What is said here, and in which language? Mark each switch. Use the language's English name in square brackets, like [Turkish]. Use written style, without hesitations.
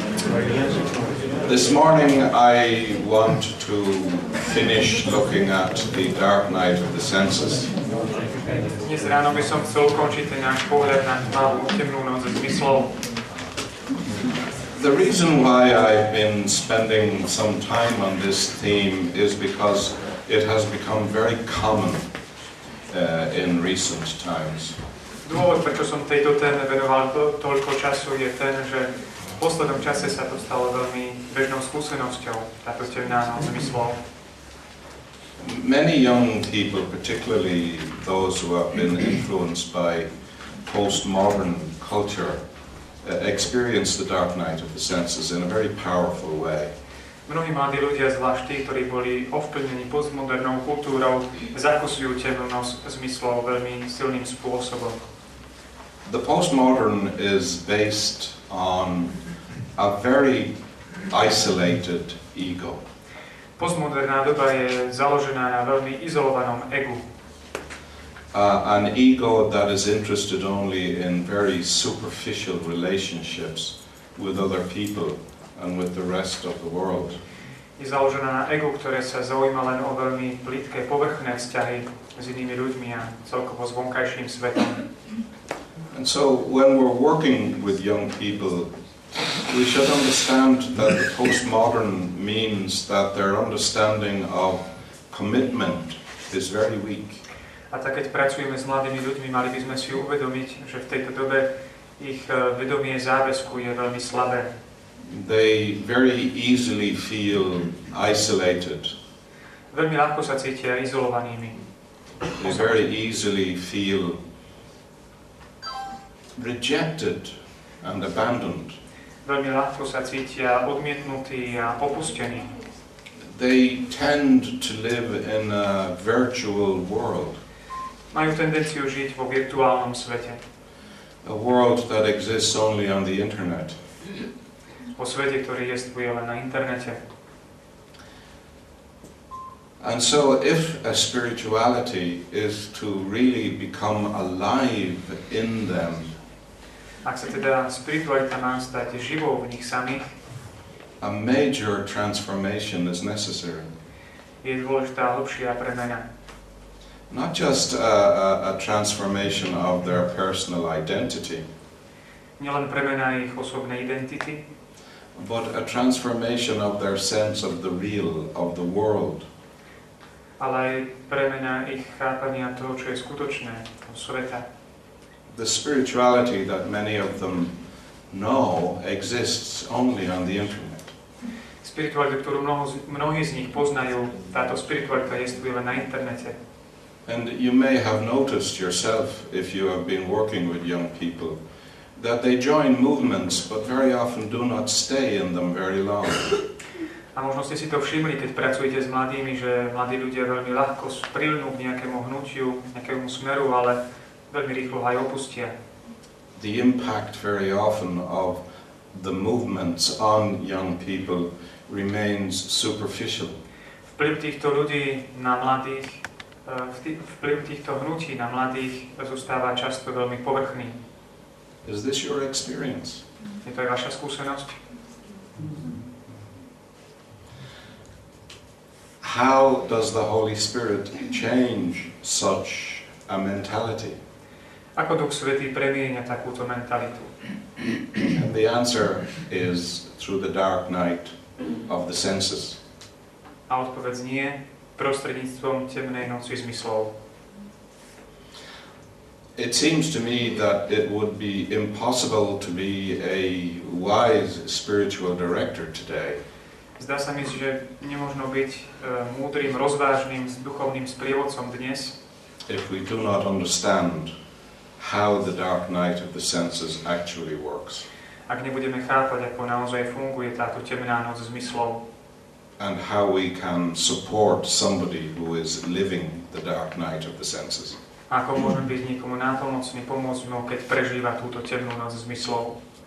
[English] This morning I want to finish looking at the dark night of the senses. [Slovak] Dnes ráno by som chcel ukončiť ten náš pohľad na tmavú, temnú noc zmyslov. [English] The reason why I've been spending some time on this theme is because it has become very common in recent times. [Slovak] Dôvod, prečo som tejto téme venoval toľko času, je ten, že v poslednom čase sa to stalo veľmi bežnou skúsenosťou, táto temná noc zmyslov. [English] Many young people, particularly those who have been influenced by postmodern culture, experience the dark night of the senses in a very powerful way. [Slovak] Mnohí mladí ľudia, zvlášť tí, ktorí boli ovplyvnení postmodernou kultúrou, zakusujú temnú noc zmyslov veľmi silným spôsobom. [English] The postmodern is based on a very isolated ego. [Slovak] Postmoderná doba je založená na veľmi izolovanom egu. [English] An ego that is interested only in very superficial relationships with other people and with the rest of the world. [Slovak] Je založená na ego, ktoré sa zaujíma len o veľmi plitké povrchné vzťahy s inými ľuďmi a celkovo s vonkajším svetom. [English] And so when we're working with young people, we should understand that the postmodern means that their understanding of commitment is very weak. [Slovak] A tak keď pracujeme s mladými ľuďmi, mali by sme si uvedomiť, že v tejto dobe ich vedomie záväzku je veľmi slabé. [English] They very easily feel isolated. [Slovak] Veľmi ľahko sa cítia izolovanými. [English] They very easily feel rejected and abandoned. [Slovak] Veľmi ľahko sa cítia odmietnutí a opustení. [English] They tend to live in a virtual world. [Slovak] Majú tendenciu žiť vo virtuálnom svete. [English] A world that exists only on the internet. [Slovak] O svete, ktorý existuje len na internete. [English] And so if a spirituality is to really become alive in them, [Slovak] ak sa teda spiritualita má stať živou v nich samých, [English] a major transformation is necessary. [Slovak] Je dôležitá hlbšia premena. [English] Not just a transformation of their personal identity, [Slovak] nielen premena ich osobnej identity, [English] but a transformation of their sense of the real, of the world. [Slovak] Ale aj premena ich chápania toho, čo je skutočné, toho sveta. [English] The spirituality that many of them know exists only on the internet. [Slovak] Spiritualita, ktorú mnohí z nich poznajú, táto spiritualita existuje len na internete. [English] And you may have noticed yourself, if you have been working with young people, that they join movements, but very often do not stay in them very long. [Slovak] A možno ste si to všimli, keď pracujete s mladými, že mladí ľudia veľmi ľahko prilnú k nejakému hnutiu, nejakému smeru, ale veľmi rýchlo aj opustia. [English] The impact very often of the movements on young people remains superficial. [Slovak] Vplyv týchto ľudí na mladých, vplyv týchto hnutí na mladých zostáva často veľmi povrchný. [English] Is this your experience? [Slovak] Je to aj vaša skúsenosť? [English] How does the Holy Spirit change such a mentality? [Slovak] Ako Duch Svätý premieňa takúto mentalitu? [English] And the answer is through the dark night of the senses. [Slovak] A odpoveď znie prostredníctvom temnej noci zmyslov. [English] It seems to me that it would be impossible to be a wise spiritual director today. [Slovak] Zdá sa mi, že nemožno byť múdrym, rozvážnym, duchovným sprievodcom dnes. [English] If we do not understand how the dark night of the senses actually works. [Slovak] Ak nebudeme chápať, ako naozaj funguje táto temná noc zmyslov. [English] And how we can support somebody who is living the dark night of the senses. [Slovak] Ako môžeme byť niekomu nápomocní, pomôcť mu, keď prežíva túto temnú noc zmyslov.